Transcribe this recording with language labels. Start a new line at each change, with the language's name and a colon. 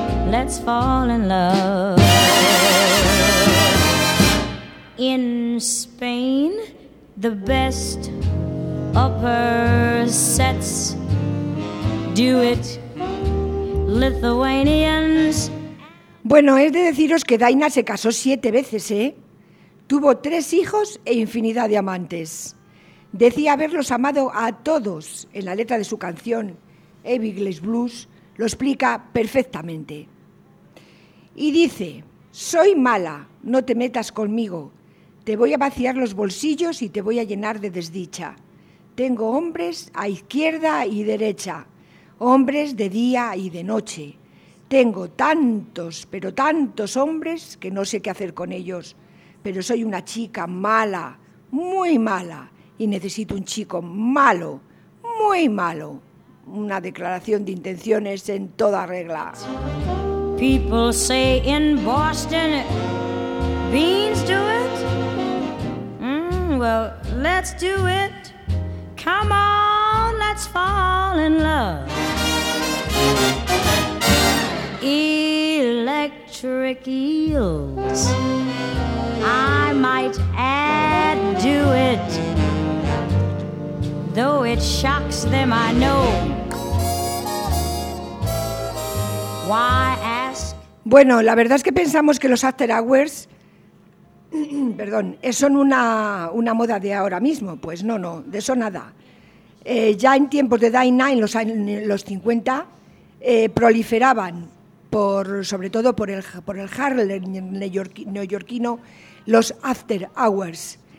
English: Let's fall in love. In Spain, the best upper sets do it. Lithuanians.
Spanish: Bueno, es de deciros que Daina se casó 7 veces, ¿eh? Tuvo 3 hijos e infinidad de amantes. Decía haberlos amado a todos. En la letra de su canción, Everglades Blues, lo explica perfectamente. Y dice, soy mala, no te metas conmigo. Te voy a vaciar los bolsillos y te voy a llenar de desdicha. Tengo hombres a izquierda y derecha, hombres de día y de noche. Tengo tantos, pero tantos hombres que no sé qué hacer con ellos. Pero soy una chica mala, muy mala, y necesito un chico malo, muy malo. Una declaración de intenciones en toda regla.
English: People say in Boston, beans do it. Well, let's do it. Come on, let's fall in love. Electric eels, I might add, do it. Though it shocks them, I know. Why ask?
Spanish: Bueno, la verdad es que pensamos que los after hours, perdón, son una moda de ahora mismo. Pues no, de eso nada. ya en tiempos de Dying Nine, los 50, proliferaban, sobre todo por el Harlem neoyorquino, los after hours.